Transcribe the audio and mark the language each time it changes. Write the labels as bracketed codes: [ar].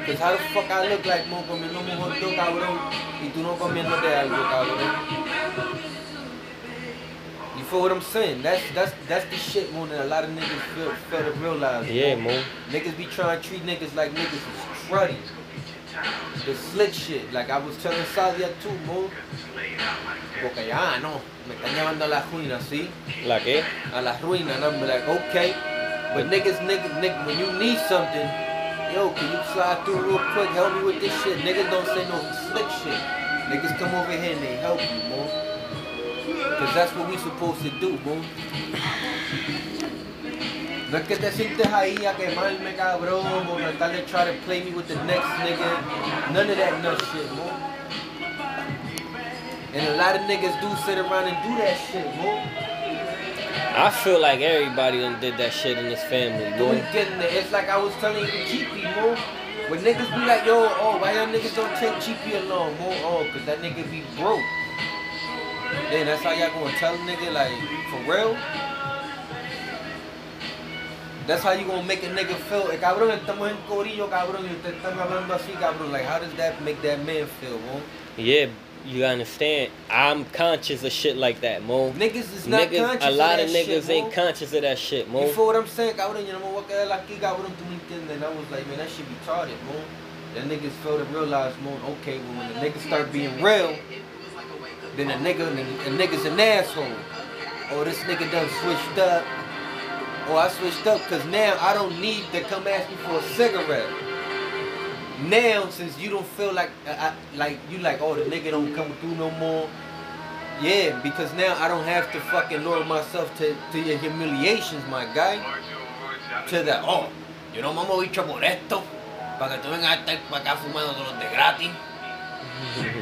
[en] Because how the fuck I look like, mo, [es] comiendo un hot dog, cabrón, y tú no comiéndote algo, cabrón. [en] You feel what I'm saying? That's the shit, mo, that a lot of niggas feel to realize. Yeah, mo. Niggas be trying to treat niggas like niggas is cruddy. The slick shit, like I was telling Sadia too, mo. [es] Porque ya no, me están llevando a la ruina, ¿sí? ¿La qué? A la ruina, [en] and I'm like, okay. But niggas, when you need something, yo, can you slide through real quick, help me with this shit? Niggas don't say no slick shit. Niggas come over here and they help you, mo. Because that's what we supposed to do, mo. [es] No es que te sientes ahí a quemarme, cabrón, o tratar de [en] try to play me with the next nigga. None of that nut shit, mo. And a lot of niggas do sit around and do that shit, mo. I feel like everybody done did that shit in this family, mo. You getting it. It's like I was telling you, GP, mo. When niggas be like, yo, oh, why y'all niggas don't take GP along, mo? Oh, because that nigga be broke. Then that's how y'all gonna tell a nigga, like, for real? That's how you gonna make a nigga feel. [es] Like, cabrón, estamos en corillo, cabrón, y usted está hablando así, cabrón. [en] Like, how does that make that man feel, bro? Yeah. You understand? I'm conscious of shit like that, Mo. Niggas is not niggas, conscious of that shit, a lot of niggas shit, ain't conscious of that shit, Mo. You feel what I'm saying? [es] Cabrón, yo no me voy a quedar aquí, cabrón, tú me entiendes. [en] And I was like, man, that shit be retarded, Mo. That niggas fail to realize, Mo, okay, well, when the niggas start being real, then a nigga's an asshole. Or this nigga done switched up. Or I switched up because now I don't need to come ask you for a cigarette. Now, since you don't feel like, oh, the nigga don't come through no more. Yeah, because now I don't have to fucking lower myself to your humiliations, my guy. To that, oh, you know, mama, we trouble with esto. [es] Para que tú vengas a estar para acá fumando todos los de gratis.